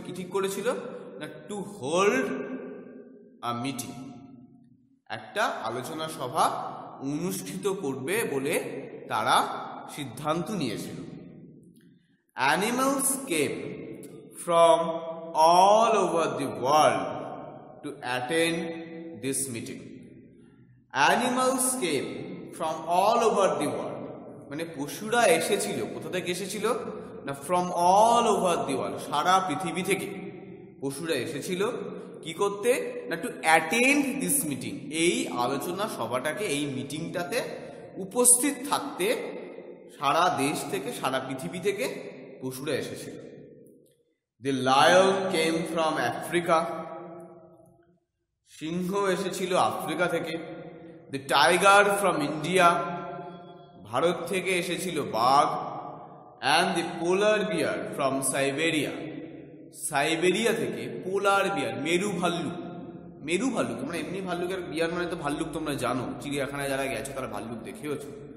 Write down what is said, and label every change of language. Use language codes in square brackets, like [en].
[bn] কি ঠিক করেছিল না? [en] to hold a meeting, [bn] একটা আলোচনা সভা অনুষ্ঠিত করবে বলে তারা সিদ্ধান্ত নিয়েছিল। [en] Animals came from all over the world to attend this meeting. Animals came from all over the world. [bn] মানে পশুরা এসেছিল, কোথা থেকে এসেছিল না, [en] from all over the world, [bn] সারা পৃথিবী থেকে পশুরা এসেছিল। কি করতে না? [en] To attend this meeting, [bn] এই আলোচনা সভাটাকে, এই মিটিংটাতে উপস্থিত থাকতে সারা দেশ থেকে, সারা পৃথিবী থেকে পশুরা এসেছিল। [en] The lion came from Africa. [bn] সিংহ এসেছিল আফ্রিকা থেকে। [en] the tiger from India, [bn] Bharat থেকে এসেছিল বাঘ। [en] and the polar bear from Siberia, [bn] Siberia থেকে পোলার বিয়ার, মেরু ভাল্লুক। মেরু ভাল্লুক মানে এমনি ভাল্লুকের বিয়ার মানে তো ভাল্লুক তোমরা জানো, চিড়িয়াখানায় যারা গেছো তারা ভাল্লুক দেখেওছো।